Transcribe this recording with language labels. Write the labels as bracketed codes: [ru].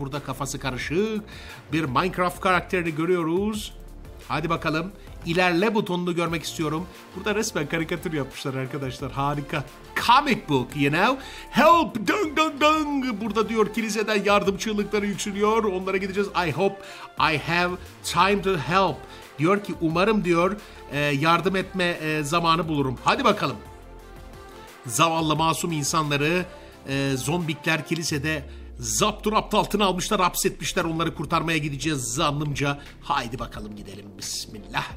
[tr] Burada kafası karışık. Bir Minecraft karakterini görüyoruz. Hadi bakalım. İlerle butonunu görmek istiyorum. Burada resmen karikatür yapmışlar arkadaşlar. Harika. [en] Comic book, you know. Help, dung dung dung. [tr] Burada diyor kiliseden yardım çığlıkları yükseliyor. Onlara gideceğiz. [en] I hope I have time to help. [tr] Diyor ki umarım diyor yardım etme zamanı bulurum. Hadi bakalım. Zavallı masum insanları zombikler kilisede zaptur apt altına almışlar, hapsetmişler. Onları kurtarmaya gideceğiz zannımca. Haydi bakalım gidelim. Bismillah.